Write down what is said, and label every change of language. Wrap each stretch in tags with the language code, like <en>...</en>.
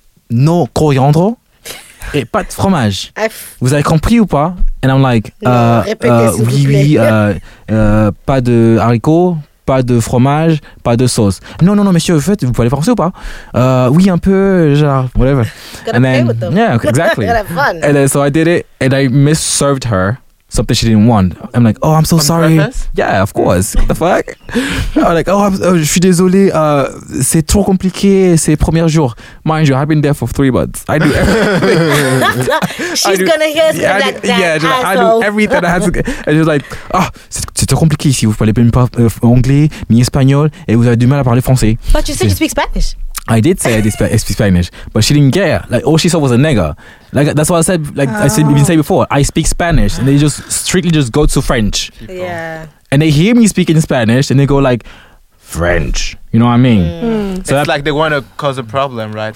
<fr>Non, coriandre. Et pas de fromage. Vous avez compris ou pas?</fr> <en>And I'm like,</en> <fr>pas de haricots, pas de fromage, pas de sauce. Non, non, non, monsieur, vous faites, vous pouvez aller français ou pas? Oui, un peu, genre, whatever.</fr> <en>And then, play with them. Yeah, exactly. Have fun. And then, so I did it, and I misserved her something she didn't want. I'm like, oh, I'm so on sorry. Purpose? Yeah, of course. What the fuck? I'm like, oh,</en> <fr>je suis désolé. C'est trop compliqué. C'est premier jour.</fr> <en>Mind you, I've been there for 3 months. I do everything. She's gonna hear something like that. Yeah, asshole. I do everything. I have to, and she's like, oh,</en> <fr>c'est trop compliqué ici. Vous parlez pas anglais ni espagnol, et vous avez du mal à parler français.</fr> <en>But you said you speak Spanish. I did say I speak Spanish, but she didn't care. Like, all she saw was a nigger. Like, that's what I said. Like, oh. I said, even said before, I speak Spanish, and they just strictly just go to French. Yeah. And they hear me speaking Spanish, and they go like, French. You know what I mean? Mm. So it's like they want to cause a problem, right?</en>